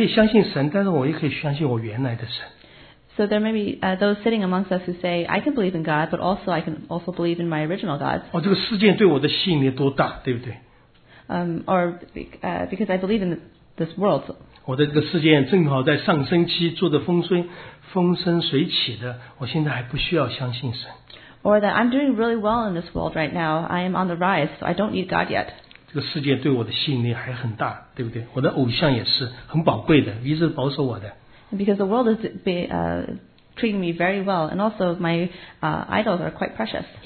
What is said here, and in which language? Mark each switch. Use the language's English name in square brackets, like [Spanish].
[Chinese] 我们中间也有在座的，我们好多，我们在想说，我们也可以相信神，但是我也可以相信我原来的神。 [English] So there may be those sitting amongst us who say, I can believe in God, but also I can also believe in my original gods. [Chinese] 哦，这个世界对我的吸引力多大，对不对？ [English] Because I believe in this world. [Chinese] 我的这个世界正好在上升期，做得风生水起的，我现在还不需要相信神。 [English] Or that I'm doing really well in this world right now. I am on the rise, so I don't need God yet. [Chinese] 这个世界对我的吸引力还很大，对不对？我的偶像也是很宝贵的，一直保守我的。 [English] Because the world is treating me very well, and also my idols are quite precious.